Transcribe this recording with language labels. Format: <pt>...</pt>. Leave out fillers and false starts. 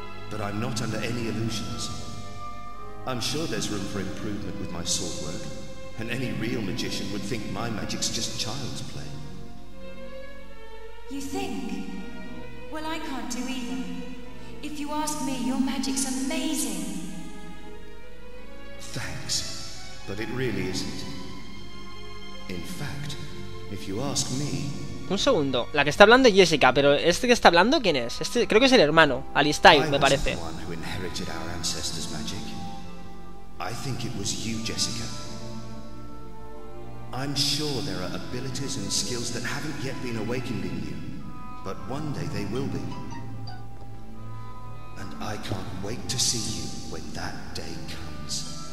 <en>But I'm not under any illusions. I'm sure there's room for improvement with my sword work, and any real magician would think my magic's just child's play. You think? Well, I can't do either. If you ask me, your magic's amazing. Thanks. But it really isn't. In fact, If you ask me.</en> <es>Un segundo, la que está hablando es Jessica, pero este que está hablando, ¿quién es? Este creo que es el hermano, Alistair, me parece.</es> <en>I was the one who inherited our ancestors' magic. I think it was you, Jessica. I'm sure there are abilities and skills that haven't yet been awakened in you, but one day they will be. And I can't wait to see you when that day comes.</en>